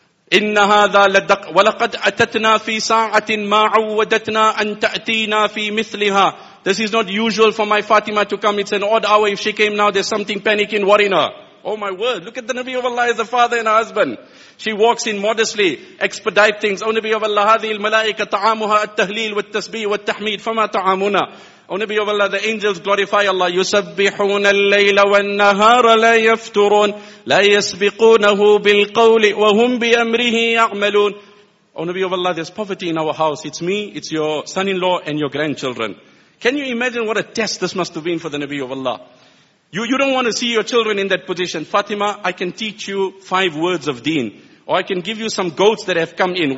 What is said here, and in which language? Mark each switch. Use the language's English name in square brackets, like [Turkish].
[Arabic] إِنَّ هَذَا لَدَقْ وَلَقَدْ أَتَتْنَا فِي سَاعَةٍ مَا عُوَّدَتْنَا أَن تَأْتِينَا فِي مِثْلِهَا. [English] This is not usual for my Fatima to come. It's an odd hour. If she came now, there's something panicking, worrying her. Oh my word. Look at the Nabi of Allah as a father and a husband. She walks in modestly, expedite things. Oh Nabi of Allah, [Arabic] هَذِي الْمَلَائِكَ تَعَامُهَا التَّهْلِيلُ وَالتَّسْبِيحُ وَالتَّحْمِيدُ فَمَا تَعَامُنَا. [English] O Nabi of Allah, the angels glorify Allah. [Arabic] يسبحون الليل والنهار لا يفترون لا يسبقونه بالقول وهم بأمره يعملون. [English] O Nabi of Allah, there's poverty in our house. It's me, it's your son-in-law and your grandchildren. Can you imagine what a test this must have been for the Nabi of Allah? You don't want to see your children in that position. Fatima, I can teach you 5 words of deen. Or I can give you some goats that have come in.